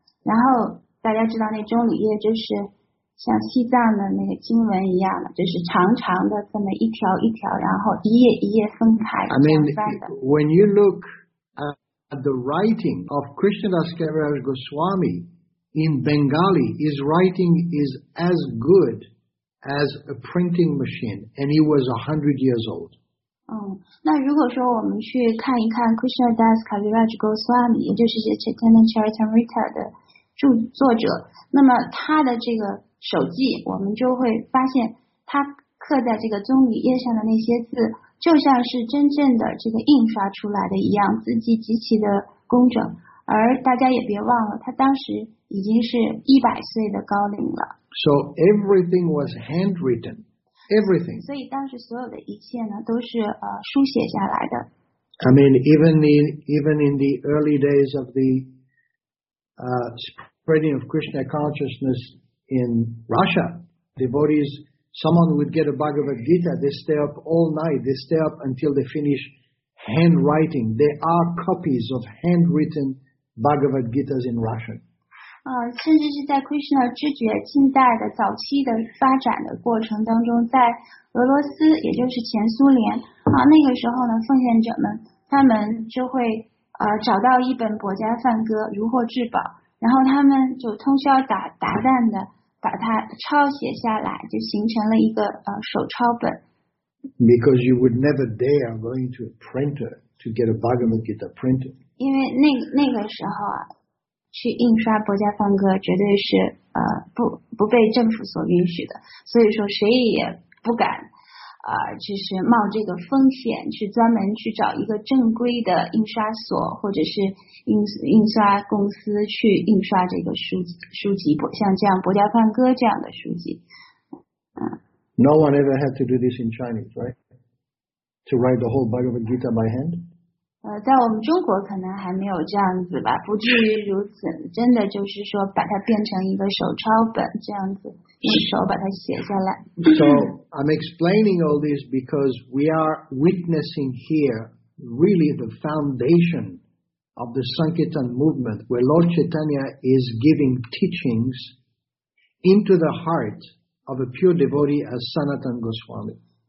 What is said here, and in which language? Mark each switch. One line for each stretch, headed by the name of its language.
Chinese: 然后大家知道那棕榈叶就是像西藏的那个经文一样的，就是长长的这么一条一条，然后一页一页分开。
English: I mean, when you look at the writing of Krishnadas Kaviraj Goswami in Bengali, his writing is as good as a printing machine, and he was 100 years old.
Chinese: 那如果说我们去看一看 Krishnadas Kaviraj Goswami， 也就是这 Chaitanya Charitamrita 的著作者，那么他的这个手记，我们就会发现它刻在这个棕榈叶上的那些字，就像是真正的这个印刷出来的一样，字迹极其的工整。而大家也别忘了，他当时已经是100岁的高龄了。
English: So everything was handwritten, everything.
Chinese: 所以当时所有的一切呢，都是书写下来的。
English: I mean, even in the early days of the spreading of Krishna consciousness. In Russia, devotees, someone would get a Bhagavad Gita, they stay up all night, they stay up until they finish handwriting. There are copies of handwritten Bhagavad Gitas in Russian.
Chinese: 甚至是在 Krishna 知觉近代的早期的发展的过程当中，在俄罗斯，也就是前苏联，那个时候呢，奉献者们，他们就会找到一本薄伽梵歌，如获至宝。然后他们就通宵达旦的把它抄写下来，就形成了一个手抄本。
English: Because you would never dare going to a printer to get a Bhagavad Gita printed.
Chinese: 因为那个时候啊，去印刷薄伽梵歌绝对是不被政府所允许的，所以说谁也不敢就是冒这个风险去专门去找一个正规的印刷所或者是印刷公司去印刷这个书籍，像这样薄伽梵歌这样的书籍。
English: No one ever had to do this in Chinese, right? To write the whole Bhagavad Gita by hand?
Chinese: 在我们中国可能还没有这样子吧，不至于如此。真的就是说把它变成一个手抄本这样子，用手把它写下来。
English: So I'm explaining all this because we are witnessing here really the foundation of the Sankirtan movement, where Lord Chaitanya is giving teachings into the heart of a pure devotee as Sanatan Goswami.